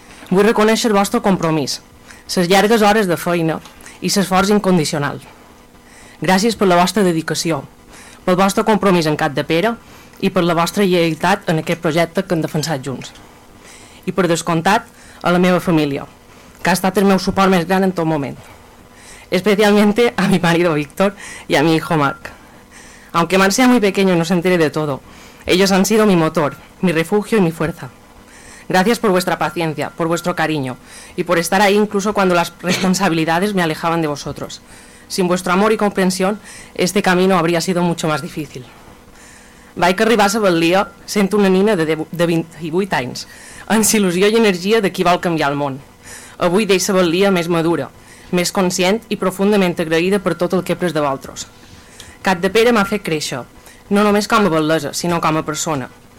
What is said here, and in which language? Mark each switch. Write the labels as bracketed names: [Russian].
[Catalan] Vull reconèixer el vostre compromís, les llargues hores de feina i l'esforç incondicional. Gràcies per la vostra dedicació, pel vostre compromís en Capdepera i per la vostra lleialtat en aquest projecte que hem defensat junts. I per descomptat, a la meva família, que ha estat el meu suport més gran en tot moment. Especialment [Spanish] a mi marido Víctor i a mi hijo Marc. Aunque Marc sea muy pequeño y no se entere de todo, ellos han sido mi motor, mi refugio y mi fuerza. Gracias por vuestra paciencia, por vuestro cariño y por estar ahí incluso cuando las responsabilidades me alejaban de vosotros. Sin vuestro amor y comprensión, este camino habría sido mucho más difícil. [Catalan] Vaig arribar a la baldia sent una nina de 28 anys, amb il·lusió i energia de qui vol canviar el món. Avui deixo la baldia més madura, més conscient i profundament agraïda per tot el que he après de vosaltres. Capdepera m'ha fet créixer, no només com a baldesa, sinó com a persona.